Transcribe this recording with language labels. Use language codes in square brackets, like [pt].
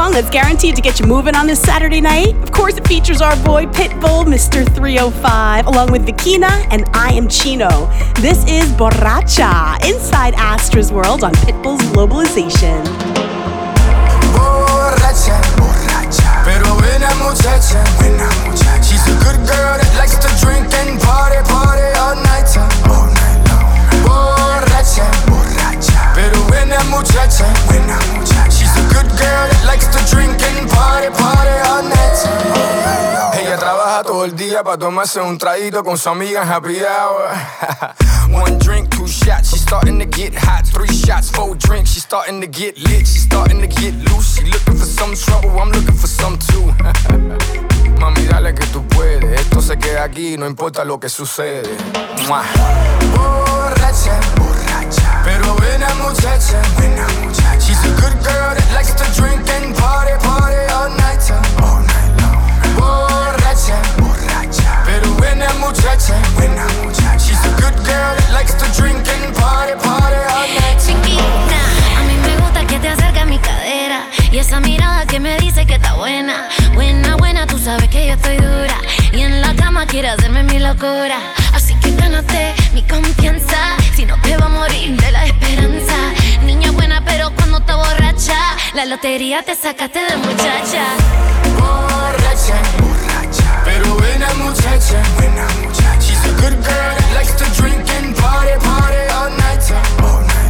[en] Guaranteed to get you moving on this Saturday night. Of course, it features our boy Pitbull, Mr. 305, along with Vikina and I Am Chino. This is Borracha, inside Astra's World on Pitbull's Globalization. [es] Borracha, borracha, pero buena muchacha, buena muchacha. [en] She's a good girl that likes to drink and party, party all night long. [es] Borracha, borracha, pero buena muchacha, buena muchacha. [en] Good girl, it likes to drink and party, party all night. [es] Ella trabaja todo el día pa' tomarse un traguito con su amiga en happy hour. [en] One drink, two shots, she's starting to get hot. Three shots, four drinks, she's starting to get lit. She's starting to get loose, she looking for some trouble. I'm looking for some too. [es] Mami, dale que tú puedes. Esto se queda aquí, no importa lo que sucede. Mwah. Borracha, borracha, pero buena muchacha, buena muchacha. [en] She's a good girl that likes to drink and party, party all night time. All night long. [es] Borracha, borracha, pero buena muchacha, buena muchacha. [en] She's a good girl that likes to drink and party, party all night time. [es] Chiquita, a mí me gusta que te acerques a mi cadera. Y esa mirada que me dice que está buena. Buena, buena, tú sabes que yo estoy dura. Y en la cama quiere hacerme mi locura. Así que gánate mi confianza. Si no te va a morir de la esperanza. Niña buena, pero cuando está borracha, la lotería te sacaste de muchacha. Borracha, borracha, pero buena muchacha, buena muchacha. [en] She's a good girl that likes to drink and party, party all night time.